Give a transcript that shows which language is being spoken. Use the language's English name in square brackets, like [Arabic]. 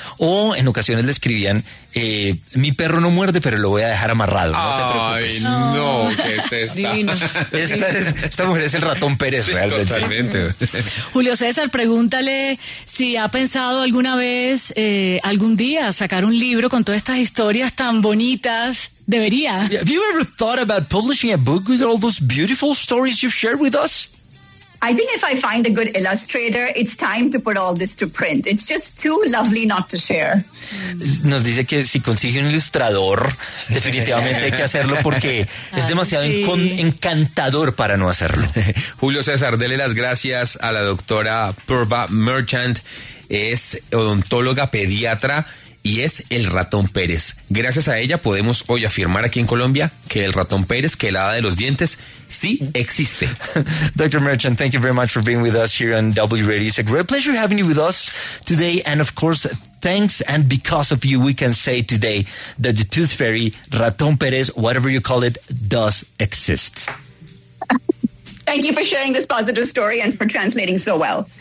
[Spanish] O en ocasiones le escribían, mi perro no muerde, pero lo voy a dejar amarrado. No te preocupes. Ay, no, ¿qué es esta? Divino. Esta mujer es el ratón Pérez, sí, realmente. Totalmente. Julio César, pregúntale si ha pensado alguna vez, algún día, sacar un libro con todas estas historias tan bonitas. Debería. [English] Have you ever thought about publishing a book with all those beautiful stories you've shared with us? I think if I find a good illustrator, it's time to put all this to print. It's just too lovely not to share. [Spanish] Nos dice que si consigue un ilustrador, definitivamente hay que hacerlo porque es demasiado encantador para no hacerlo. Julio César, dele las gracias a la doctora Purva Merchant. Es odontóloga pediatra y es el ratón Pérez. Gracias a ella podemos hoy afirmar aquí en Colombia que el ratón Pérez, que la hada de los dientes, sí existe. [English] Dr. Merchant, thank you very much for being with us here on W Radio. It's a great pleasure having you with us today. And of course, thanks and because of you, we can say today that the Tooth Fairy, Ratón Pérez, whatever you call it, does exist. Thank you for sharing this positive story and for translating so well.